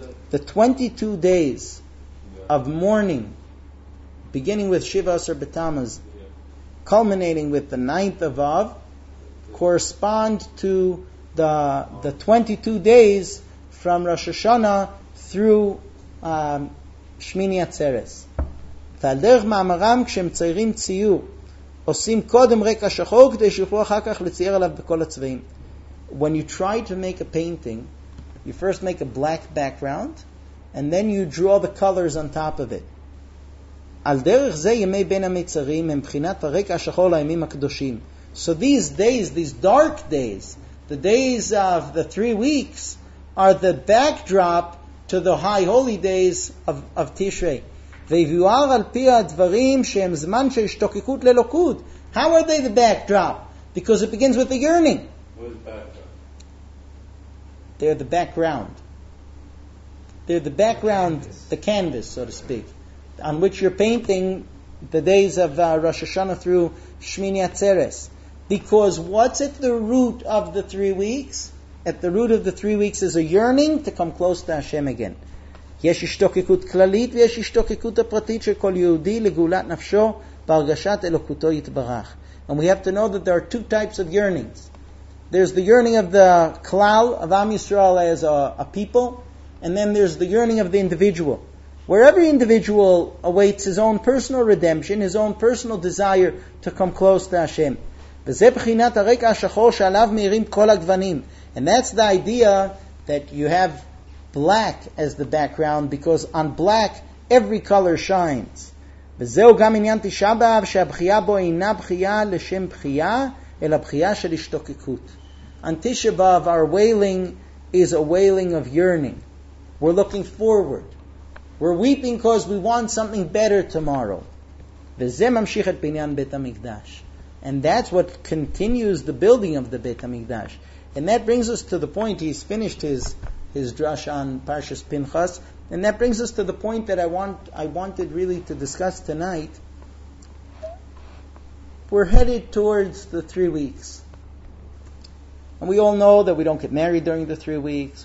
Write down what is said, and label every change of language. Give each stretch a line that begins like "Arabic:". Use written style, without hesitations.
English: The 22 days of mourning, beginning with Shiva Asar B'Tammuz, culminating with the 9th of Av, correspond to the 22 days from Rosh Hashanah through Shmini Atzeres.
Hebrew: ועל דרך מאמרם כשהם ציירים ציור עושים קודם רקע שחור כדי שיוכלו אחר כך לצייר עליו בכל הצבעים.
English: When you try to make a painting, you first make a black background and then you draw the colors on top of it.
Hebrew: על דרך זה ימי בין המצרים הם בחינת הרקע השחור לימים הקדושים.
English: So these days, these dark days, the days of the 3 weeks are the backdrop to the high holy days of Tishrei.
Hebrew: ויבואר על פי הדברים שהם זמן של השתוקקות ללוקות.
English: How are they the backdrop? Because it begins with the yearning. They're the background. They're the background, the canvas, so to speak, on which you're painting the days of Rosh Hashanah through Shmini Atzeres. Because what's at the root of the 3 weeks? At the root of the 3 weeks is a yearning to come close to Hashem again.
Hebrew: יש השתוקקות כללית ויש השתוקקות הפרטית של כל יהודי לגאולת נפשו בהרגשת אלוקותו יתברך.
English: And we have to know that there are two types of yearnings. There's the yearning of the klal, of Am Yisrael as a people, and then there's the yearning of the individual. Where every individual awaits his own personal redemption, his own personal desire to come close to Hashem.
Hebrew: וזה בחינת הרקע השחור שעליו מאירים כל הגוונים.
English: And that's the idea that you have black as the background, because on black every color shines.
Hebrew: וזהו גם עניין תשעה באב שהבחייה בו אינה בחייה לשם בחייה אלא בחייה של השתוקקות.
English: On Tisha B'Av, our wailing is a wailing of yearning. We're looking forward. We're weeping because we want something better tomorrow.
Hebrew: וזה ממשיך את בניין בית המקדש.
English: And that's what continues the building of the בית המקדש. And that brings us to the point he's finished his drash on Parshas Pinchas. And that brings us to the point that I wanted really to discuss tonight. We're headed towards the 3 weeks. And we all know that we don't get married during the 3 weeks.